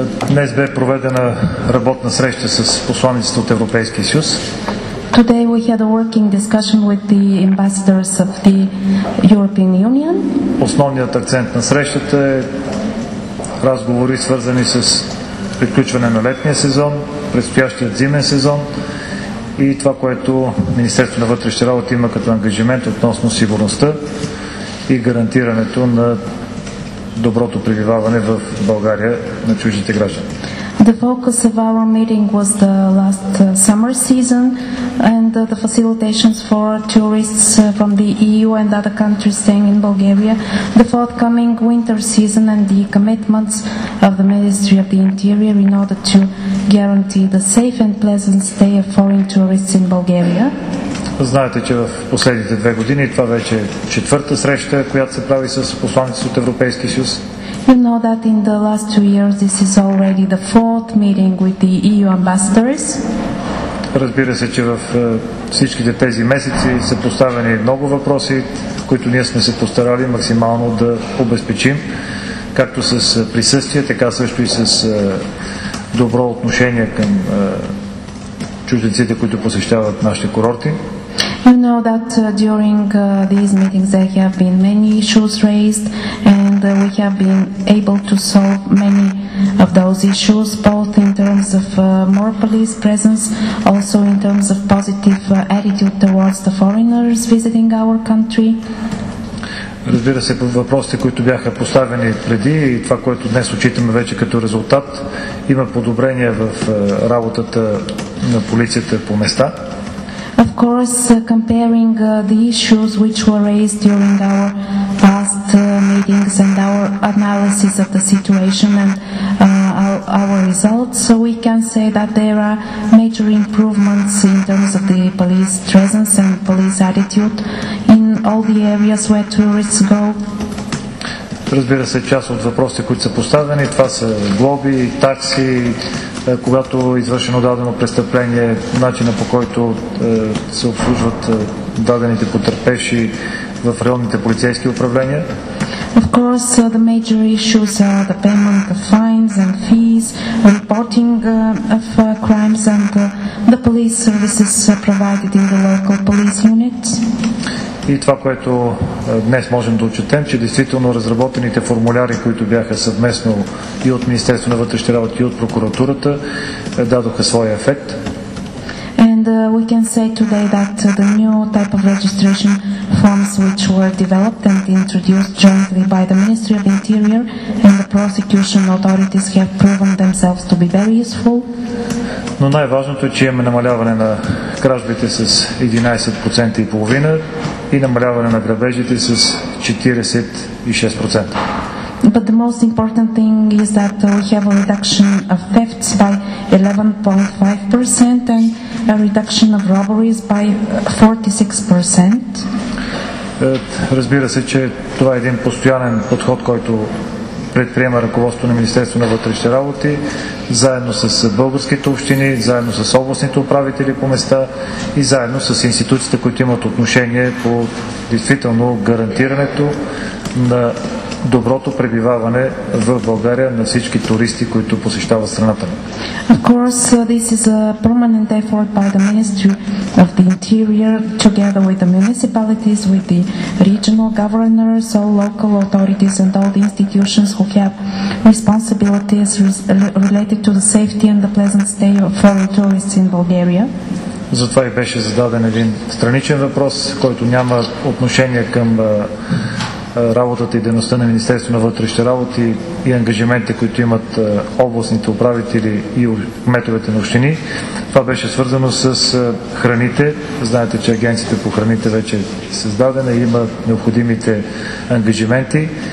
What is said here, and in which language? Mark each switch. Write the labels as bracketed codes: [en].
[bg] Днес бе проведена работна среща с посланиците от Европейския съюз. [en] Today we had a working discussion with the ambassadors of the European Union. [bg] Основният акцент на срещата е разговори, свързани с приключване на летния сезон, предстоящият зимен сезон и това, което Министерството на вътрешните работи има като ангажимент относно сигурността и гарантирането на доброто пребиваване в България на чуждите граждани. [en] The focus of our meeting was the last summer season and the facilitations for tourists from the EU and other countries staying in Bulgaria, the forthcoming winter season and the commitments of the Ministry of the Interior in order to guarantee the safe and pleasant stay of foreign tourists in Bulgaria. [bg] Знаете, че в последните две години това вече е четвърта среща, която се прави с посланиците от Европейския съюз. [en] You know that in the last two years this is already the fourth meeting with the EU ambassadors. [bg] Разбира се, че в всичките тези месеци са поставени много въпроси, които ние сме се постарали максимално да обезпечим, както с присъствие, така също и с добро отношение към чужденците, които посещават нашите курорти. [en] You know that during these meetings there have been many issues raised and we have been able to solve many of those issues both in terms of more police presence, also in terms of positive attitude towards the foreigners visiting our country. [bg] Разбира се, въпросите, които бяха поставени преди и това, което днес отчитаме вече като резултат, има подобрение в работата на полицията по места. [en] Of course, comparing the issues which were raised during our past meetings and our analysis of the situation and our results, so we can say that there are major improvements in terms of the police presence and police attitude in all the areas where tourists go. [bg] Разбира се, част от въпросите, които са поставени, това са глоби, такси, когато извършено дадено престъпление, начина по който се обслужват дадените потърпевши в районните полицейски управления. [en] Of course, the major issues are the payment of fines and fees, reporting of crimes and the police services provided in the local police units. [bg] И това, което днес можем да отчетем, че действително разработените формуляри, които бяха съвместно и от Министерство на вътрешни работи, и от прокуратурата, дадоха своя ефект. [en] And we can say today that the new type of registration forms which were developed and introduced jointly by the Ministry of Interior and the prosecution authorities have proven themselves to be very useful. [bg] Но най-важното е, че имаме намаляване на кражбите с 11.5% и намаляване на грабежите с 46%. [en] But the most important thing is that we have a reduction of thefts by 11.5% and a reduction of robberies by 46%. [bg] Разбира се, че това е един постоянен подход, който предприема ръководството на Министерство на вътрешните работи, заедно с българските общини, заедно с областните управители по места и заедно с институциите, които имат отношение по действително гарантирането на доброто пребиваване в България на всички туристи, които посещават страната. [en] Of course, this is a permanent effort by the Ministry of the Interior together with the municipalities, with the regional governors, all local authorities and all the institutions who have responsibilities related to the safety and the pleasant stay of foreign tourists in Bulgaria. [bg] Затова и беше зададен един страничен въпрос, който няма отношение към работата и дейността на Министерство на вътрешни работи и ангажиментите, които имат областните управители и кметовете на общини. Това беше свързано с храните. Знаете, че агенцията по храните вече е създадена и има необходимите ангажименти.